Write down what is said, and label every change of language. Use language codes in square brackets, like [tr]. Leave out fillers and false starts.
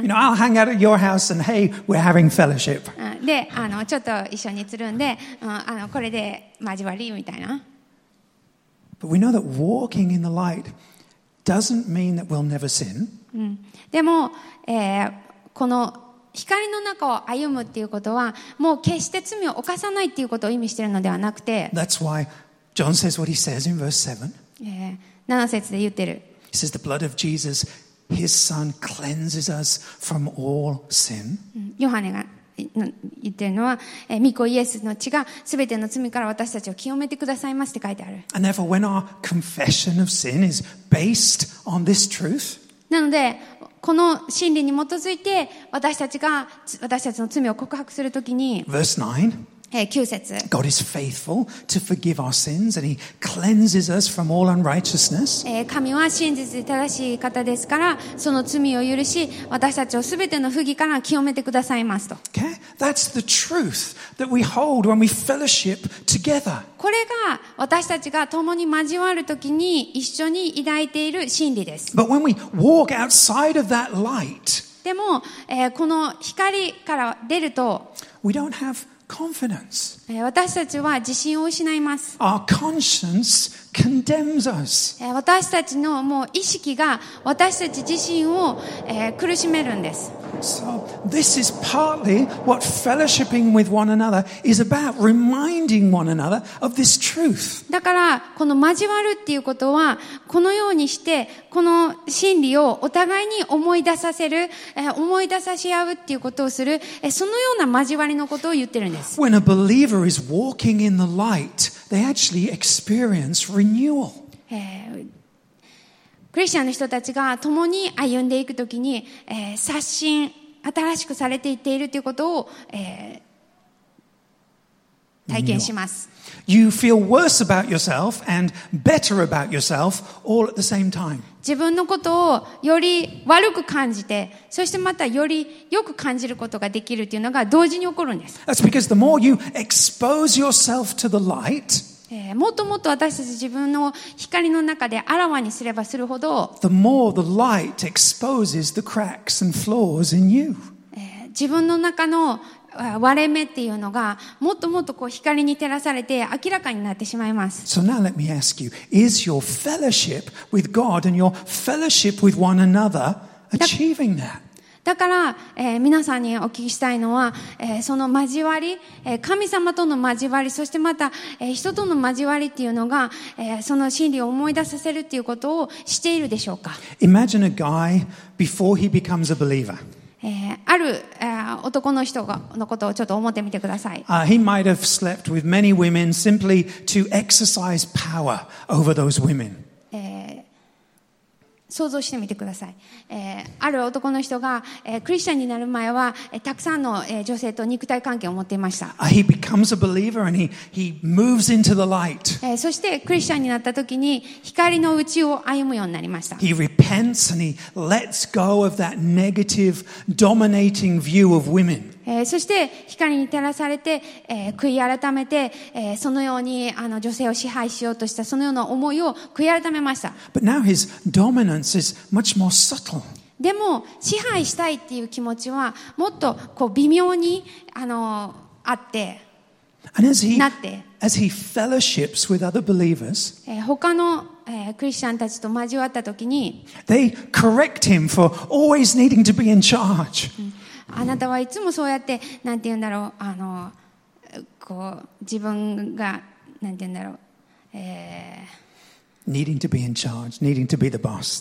[en] You know, I'll hang out at your house and hey, we're having fellowship. [ja] で、ちょっと一緒につるんで、これで交わりみたいな。 [en] But we know that walking in the light doesn't mean that we'll never sin. [ja] でも、この光の中を歩むっていうことは、もう決して罪を犯さないっていうことを意味しているのではなくて。 [en] That's why. John says what he says in verse [ja] 7. 7節で言ってる。 [en] He says the blood of Jesus, his son, cleanses us from all sin. [ja] ヨハネが言ってるのは、御子イエスの血が全ての罪から私たちを清めてくださいますって書いてある。 [en] And therefore, when our confession of sin is based on this truth, [ja] なので、この真理に基づいて私たちの罪を告白するときに、 [en] verse 9. [ja] 9節。 [en] God is faithful to forgive our sins and He cleanses us from all unrighteousness. [ja] 神は真実で正しい方ですから、その罪を許し、私たちをすべての不義から清めてくださいますと。 [en] Okay? That's the truth that we hold when we fellowship together. [ja] これが私たちが共に交わるときに一緒に抱いている真理です。 [en] But when we walk outside of that light, [ja] でも、この光から出ると、 [en] we don't have confidence. [ja] 私たちは自信を失います。 [en] Our conscience condemns us. [ja] 私たちのもう意識が私たち自身を、苦しめるんです。 [en] So this is partly what fellowshipping with one another is about, reminding one another of this truth. [ja] だからこの交わるっていうことはこのようにしてこの真理をお互いに思い出させる、思い出さし合うっていうことをする、そのような交わりのことを言ってるんです。 [en] When a believer is walking in the light, they actually experience renewal. [ja] クリスチャンの人たちが共に歩んでいくときに、刷新、新しくされていっているということを、体験します。 [en] You feel worse about yourself and better about yourself all at the same time. [ja] 自分のことをより悪く感じて、そしてまたより良く感じることができるというのが同時に起こるんです。 [en] That's because the more you expose yourself to the light, [ja] もっともっと私たち自分の光の中であらわにすればするほど、自分の中の割れ目っていうのがもっともっとこう光に照らされて明らかになってしまいます。 [en] So now let me ask you, is your fellowship with God and your fellowship with one another achieving that? [ja] だから、皆さんにお聞きしたいのは、その交わり、神様との交わり、そしてまた、人との交わりっていうのが、その真理を思い出させるっていうことをしているでしょうか。 [en] Imagine a guy before he becomes a believer. [ja] ある、男の人がのことをちょっと思ってみてください。 [en] He might have slept with many women simply to exercise power over those women. [ja] 想像してみてください。ある男の人が、クリスチャンになる前は、たくさんの、女性と肉体関係を持っていました。 [en] He becomes a believer and he moves into the light. [ja] そしてクリスチャンになった時に光の内を歩むようになりました。 [en] He repents and he lets go of that negative dominating view of women. [ja] そして光に照らされて、悔い改めて、そのようにあの女性を支配しようとしたそのような思いを悔い改めました。 [en] But now his dominance is much more subtle. [ja] でも支配したいっていう気持ちはもっとこう微妙にあって、 [en] And as he, [ja] なって、 [en] as he fellowships with other believers, [ja] 他のクリスチャンたちと交わった時に、 [en] they correct him for always needing to be in charge. [ja] あなたはいつもそうやって、なんて言うんだろう、こう、自分が、なんて言うんだろう、 [en] needing to be in charge, needing to be the boss.